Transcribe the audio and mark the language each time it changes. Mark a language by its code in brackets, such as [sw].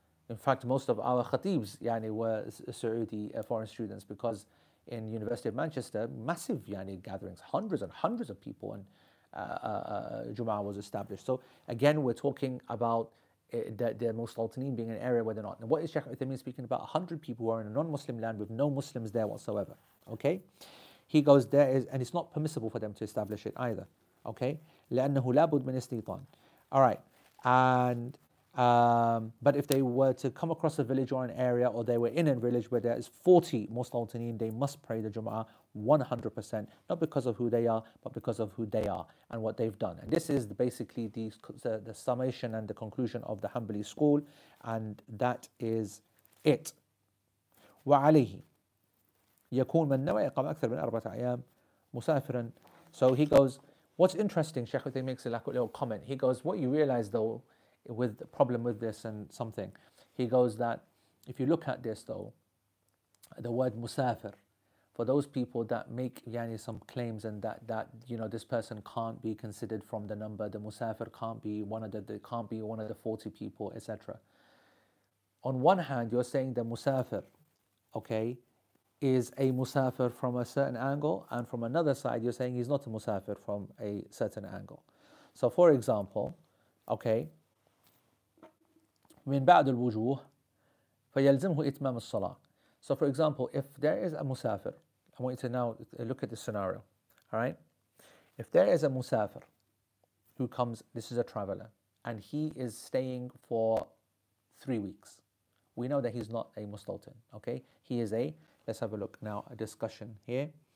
[en] In fact, most of our khatibs, yani, were Saudi foreign students, because in University of Manchester, massive, yani, gatherings, hundreds and hundreds of people, and Jumu'ah was established. So again, we're talking about the Mustaltineen being an area where they're not. Now, what is Sheikh Uthaymeen speaking about? 100 people who are in a non-Muslim land with no Muslims there whatsoever. Okay, he goes, there is, and it's not permissible for them to establish it either. [ar] Okay, لأنه لابد من استيطان. [en] All right, and but if they were to come across a village or an area, or they were in a village where there is 40 Mustaltineen, they must pray the Jumu'ah 100%, not because of who they are, but because of who they are and what they've done. And this is basically the summation and the conclusion of the Hanbali school, and that is it. [ar] وَعَلَيْهِ يَكُونَ مَنْ نَوَى يَقَمْ أَكْثَرْ مِنْ أَرْبَةَ أَيَامٍ مُسَافِرًا. [en] So he goes, what's interesting, Sheikh Uthaymeen makes a little comment. He goes, what you realize though, with the problem with this and something, he goes that if you look at this though, the word musafir, for those people that make, yani, some claims, and that you know, this person can't be considered from the number, the musafir can't be one of the 40 people, etc. On one hand, you're saying the musafir, okay, is a musafir from a certain angle, and from another side, you're saying he's not a musafir from a certain angle. So, for example, okay, [ar] من بعد الوجوه فيلزمه إتمام الصلاة. [en] So for example, if there is a musafir, I want you to now look at the scenario. Alright, if there is a musafir who comes, this is a traveler, and he is staying for 3 weeks, we know that he's not a mustaltin. Okay, he is a, let's have a look now, a discussion here.